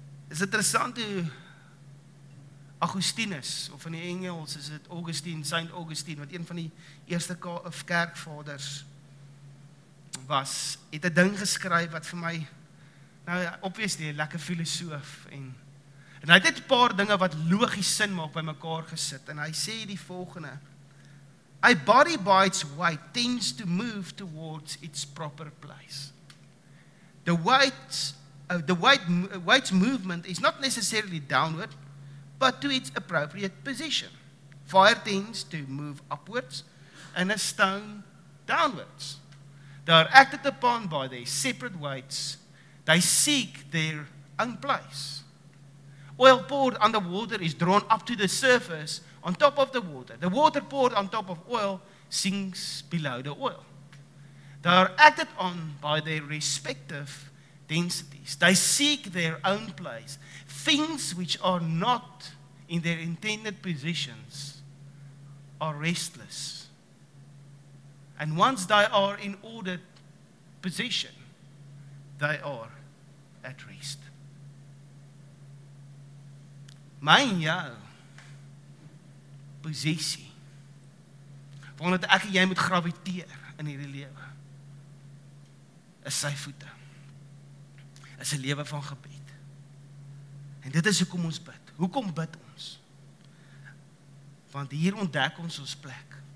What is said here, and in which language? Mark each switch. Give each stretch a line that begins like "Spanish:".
Afrikaans: Is interessant hoe Augustinus, of in die Engels is dit Augustine, Saint Augustine, wat een van die eerste kerkvaders was, het 'n ding geskryf wat vir my, nou, obviously, 'n lekker filosoof, en hy het net 'n paar dinge wat logies sin maak by mekaar gesit, en hy sê die volgende,
English: a body by its weight tends to move towards its proper place. The weight's movement is not necessarily downward, but to its appropriate position. Fire tends to move upwards, and a stone downwards. They are acted upon by their separate weights. They seek their own place. Oil poured under water is drawn up to the surface on top of the water. The water poured on top of oil sinks below the oil. They are acted on by their respective densities. They seek their own place. Things which are not in their intended positions are restless. And once they are in ordered position, they are at rest.
Afrikaans: My en jou posisie, waarna ek en jy moet graviteer in hierdie lewe, is sy voete, is 'n lewe van gebed. En dit is hoekom ons bid. Hoekom bid ons? Want hier ontdek ons ons plek.